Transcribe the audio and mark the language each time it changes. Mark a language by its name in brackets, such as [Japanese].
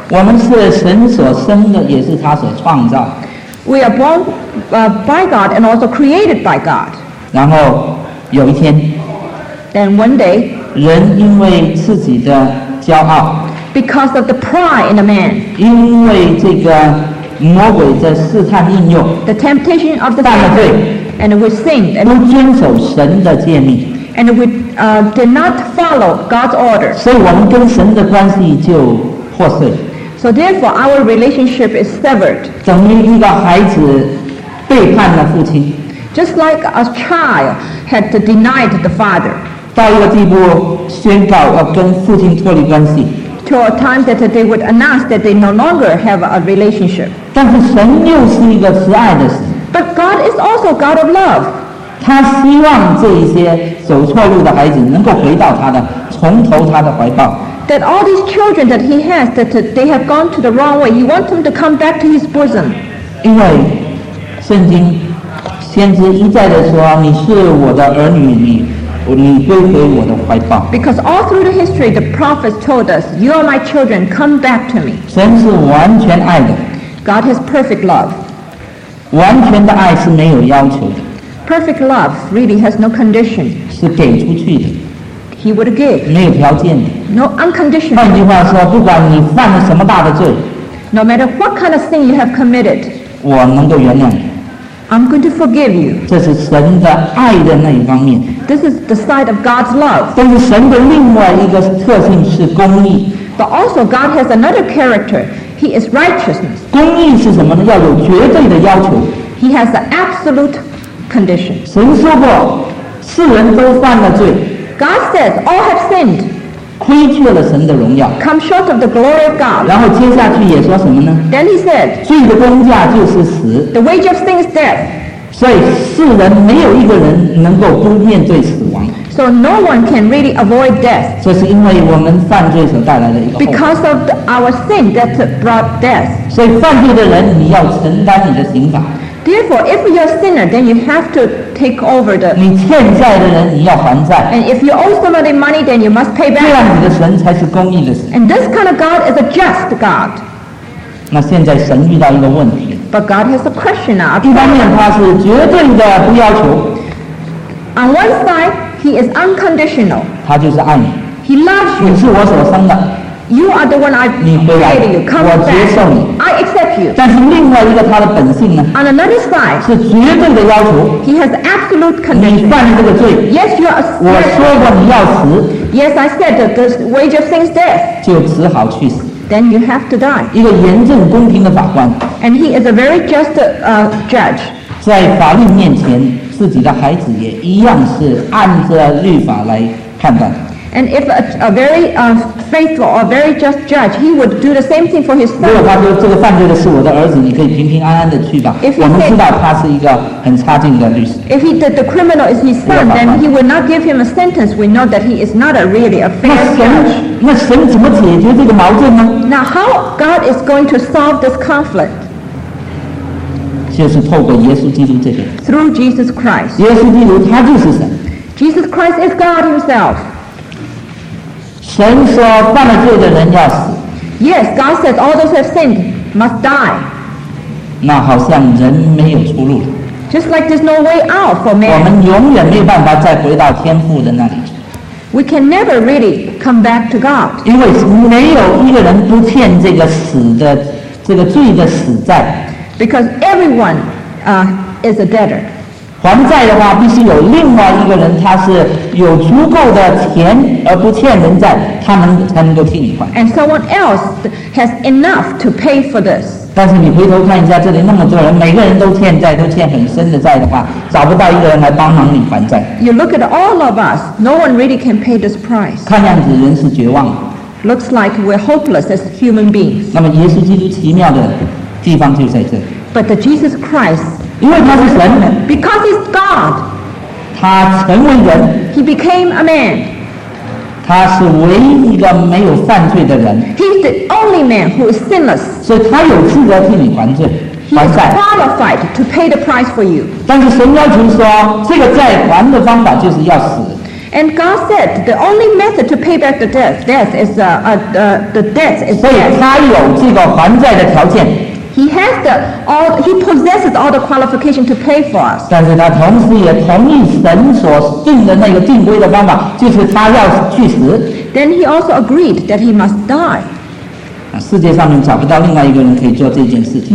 [Chinese] 我们是神所生的，也是他所创造。 [English] We are born by God and also created by God. [Chinese] 然后有一天 [English] Then one day, [Chinese] 人因为自己的骄傲 [English] because of the pride in a man, [Chinese] 因为这个魔鬼的试探应用 [English] the temptation of the devil, [Chinese] 犯了罪 [English] and we sinned, [Chinese] 不遵守神的诫命 [English] and we did not follow God's order, [Chinese] 所以我们跟神的关系就破碎 [English] so therefore our relationship is severed, [Chinese] 等于一个孩子背叛了父亲 [English] just like a child had denied the father, [Chinese] 到一个地步宣告要跟父亲脱离关系 [English] to a time that they would announce that they no longer have a relationship [Chinese] 但是神又是一个慈爱的神 [English] but God is also God of love [Chinese] 他希望这一些走错路的孩子能够回到他的从头他的怀抱 [English] that all these children that he has that they have gone to the wrong way he wants them to come back to his bosom [Chinese] 因为圣经先知一再地说你是我的儿女你 [English] Because all through the history, the prophets told us, "You are my children. Come back to me." [Chinese] 神是完全爱的。 [English] God has perfect love. [Chinese] 完全的爱是没有要求的。 [English] Perfect love really has no condition. [Chinese] 是给出去的。 [English] He would give. [Chinese] 没有条件的。 [English] No unconditional. [Chinese] 换句话说，不管你犯了什么大的罪 [English] ，No matter what kind of sin you have committed, [Chinese] 我能够原谅你。 [English] I'm going to forgive you. [Chinese] 这是神的爱的那一方面。 [English] This is the side of God's love. [Chinese] 但是神的另外一个特性是公义。 [English] But also God has another character. He is righteousness. [Chinese] 公义是什么呢？要有绝对的要求。 [English] He has the absolute condition. [Chinese] 神说过，世人都犯了罪。 [English] God says all have sinned. [Chinese] 亏缺了神的荣耀。 [English] Come short of the glory of God. [Chinese] 然后接下去也说什么呢？ [English] Then he said, [Chinese] 罪的工价就是死。 [English] The wage of sin is death. [Chinese] 所以世人没有一个人能够不面对死亡。 [English] So no one can really avoid death. [Chinese] 这是因为我们犯罪所带来的一个后果。 [English] Because of our sin that brought death. [Chinese] 所以犯罪的人你要承担你的刑罚。 [English] Therefore, if you're a sinner, then you have to take over the. [Chinese] 你欠债的人你要还债。 [English] And if you owe somebody money, then you must pay back. [Chinese] 这样你的神才是公义的神。 [English] And this kind of God is a just God. [Chinese] 那现在神遇到一个问题。 [English] But God has a question now. [Chinese] 一方面他是绝对的不要求。 [English] On one side, he is unconditional. [Chinese] 他就是爱你。 [English] He loves you. [Chinese] 你是我所生的。 [English] You are the one I created you. Come back. [Chinese] 我接受你。 [English] I accept you. [Chinese] 但是另外一个他的本性呢 [English] ？On another side, [Chinese] 是绝对的要求。 [English] He has absolute condition. [Chinese] 你犯了这个罪。 [English] Yes, you are. [Chinese] 我说过你要死。 [English] Yes, I said that the wage of sin is death. [Chinese] 就只好去死。 [English] Then you have to die. [Chinese] 一个严正公平的法官。 [English] And he is a very just judge. [Chinese] 在法律面前，自己的孩子也一样是按着律法来判断。 [English] And if a very faithful or very just judge, he would do the same thing for his son. [Chinese] 如果他说这个犯罪的是我的儿子，你可以平平安安的去吧。我们知道他是一个很差劲的律师。 [English] If the criminal is his son, then he would not give him a sentence. We know that he is not really a fair judge. [Chinese] 那神怎么解决这个矛盾呢 [English] Now how God is going to solve this conflict? [Chinese] 就是透过耶稣基督这个 [English] Through Jesus Christ [Chinese] 耶稣基督他就是神 [English] Jesus Christ is God himself [Chinese] 神说犯了罪的人要死 [English] Yes, God says all those who have sinned must die [Chinese] 那好像人没有出路。 [English] Just like there's no way out for man. [Chinese] 我们永远没办法再回到天父的那里。 [English] We can never really come back to God. [Chinese] 因为没有一个人不欠这个死的这个罪的死债。 [English] Because everyone, is a debtor. [Chinese] 还债的话，必须有另外一个人，他是有足够的钱而不欠人债，他们才能够替你还。 [English] And someone else has enough to pay for this. [Chinese] 但是你回头看一下，这里那么多人，每个人都欠债，都欠很深的债的话，找不到一个人来帮忙你还债。 [English] You look at all of us. No one really can pay this price. [Chinese] 看样子人是绝望。 [English] Looks like we're hopeless as human beings. [Chinese] 那么耶稣基督奇妙的地方就在这。 [English] But the Jesus Christ. [Chinese] 因为他是神。 [English] Because he's God. [Chinese] 他成为人。 [English] He became a man. [Chinese] 他是唯一一个没有犯罪的人。 [English] He's the only man who is sinless. [Chinese] 所以他有资格替你还罪。 [English] He is qualified to pay the price for you. [Chinese] 但是神要求说，这个债还的方法就是要死。 [English] And God said the only method to pay back the debt is the debt is death. [Chinese] 所以他有这个还债的条件。 [English] He has the all. He possesses all the qualification to pay for us. [Chinese] 但是他同时也同意神所定的那个定规的方法，就是他要去死。 [English] Then he also agreed that he must die. [Chinese] 世界上面找不到另外一个人可以做这件事情。